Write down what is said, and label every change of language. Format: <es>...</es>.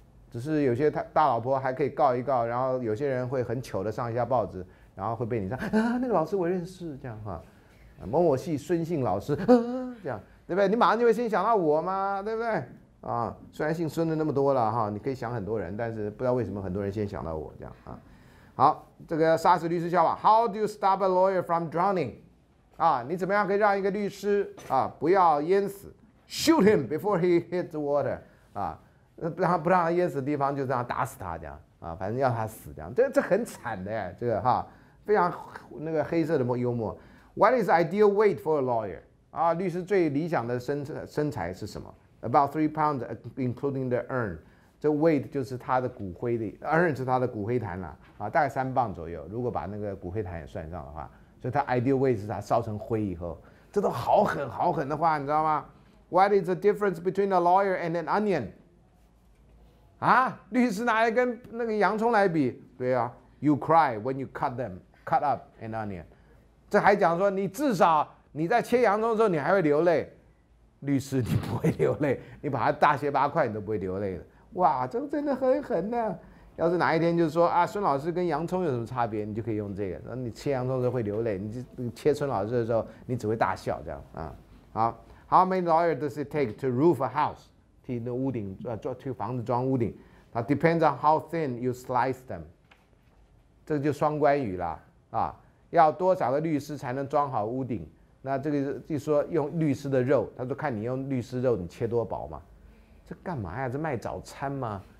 <zh>只是有些大老婆还可以告一告，然后有些人会很糗的上一下报纸，然后会被你说啊，那个老师我认识，这样哈、啊，某某系孙姓老师，这样对不对？你马上就会先想到我嘛，对不对？啊，虽然姓孙的那么多了哈，你可以想很多人，但是不知道为什么很多人先想到我这样啊。</zh> <en>好，</en> <zh>这个杀死律师笑话</zh> <en>，How do you stop a lawyer from drowning？</en> <zh>啊，你怎么样可以让一个律师啊不要淹死 ？</zh> <en>Shoot him before he hits the water！</en> <zh>啊，不让他淹死的地方就这样打死他这样啊，反正要他死这样，这很惨的哎，这个哈、啊、非常那个黑色的幽默。</zh> <en>What is ideal weight for a lawyer？</en> <zh>啊，律师最理想的身材是什么？</zh> <en>About 3 pounds, including the urn.</en> <zh>这 weight 就是他的骨灰的 urn 是他的骨灰坛了 啊，大概3磅左右。如果把那个骨灰坛也算上的话，所以他 ideal weight 是他烧成灰以后，这都好狠好狠的话，你知道吗 ？</zh> <en>What is the difference between a lawyer and an onion?</en> <zh>啊，律师拿来跟那个洋葱来比，对啊 ，</zh> <en>You cry when you cut up an onion.</en> <zh>这还讲说你至少你在切洋葱的时候你还会流泪。律师，你不会流泪，你把他大卸八块，你都不会流泪的。哇，这真的很狠呢、啊。要是哪一天就是说啊，孙老师跟洋葱有什么差别，你就可以用这个。那你切洋葱的时候会流泪，你切孙老师的时候，你只会大笑这样啊。</zh> <en>好 ，How many lawyers does it take to roof a house？</en> <zh>替那屋顶装，替房子装屋顶。</zh> <en>它 depends on how thin you slice them。</en> <zh>这就双关语了啊。要多少个律师才能装好屋顶？那这个就说用律师的肉，他说看你用律师肉你切多薄嘛，这干嘛呀？这卖早餐吗？</zh>